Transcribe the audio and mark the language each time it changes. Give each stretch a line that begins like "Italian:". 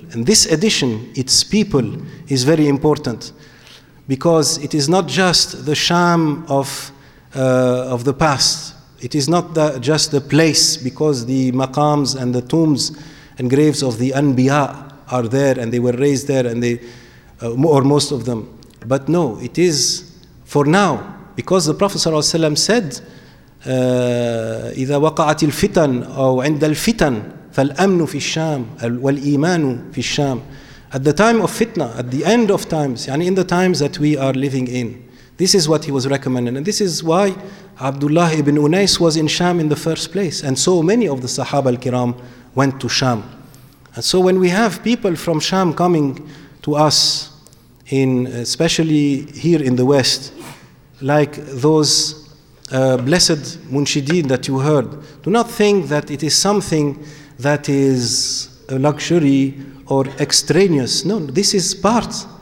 English: And this addition, its people, is very important, because it is not just the Sham of the past. It is not just the place, because the maqams and the tombs and graves of the Anbiya are there, and they were raised there, and they, or most of them. But no, it is for now. Because the Prophet ﷺ said,
Arabic: إِذَا وَقَعَتِ الْفِتَنُ أَوْ عِنْدَ الْفِتَنُ فَالْأَمْنُ فِي الشَّامِ وَالْإِيمَانُ فِي الشَّامِ.
English: at the time of fitna, at the end of times, yani in the times that we are living in. This is what he was recommending. And this is why Abdullah ibn Unais was in Sham in the first place. And so many of the Sahaba al-Kiram went to Sham. And so when we have people from Sham coming to us, in especially here in the West, like those blessed munshideen that you heard, do not think that it is something that is a luxury or extraneous. No, this is part.